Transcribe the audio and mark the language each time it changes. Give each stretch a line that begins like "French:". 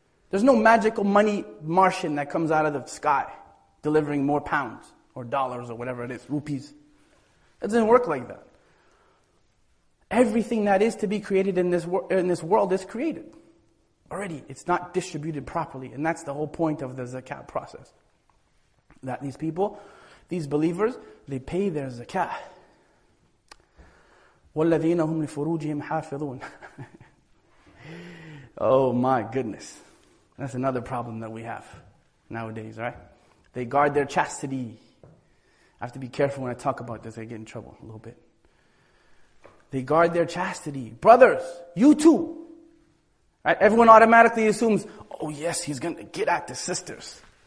English: There's no magical money Martian that comes out of the sky delivering more pounds or dollars or whatever it is, rupees. It doesn't work like that. Everything that is to be created in this world is created already. It's not distributed properly. And that's the whole point of the zakat process. That these people, these believers, they pay their zakat.
Arabic: وَالَّذِينَ هُمْ لِفُرُوجِهِمْ حَافِظُونَ
English: Oh my goodness. That's another problem that we have nowadays, right? They guard their chastity. I have to be careful when I talk about this. I get in trouble a little bit. They guard their chastity. Brothers, you too. Right? Everyone automatically assumes, oh yes, he's going to get at the sisters.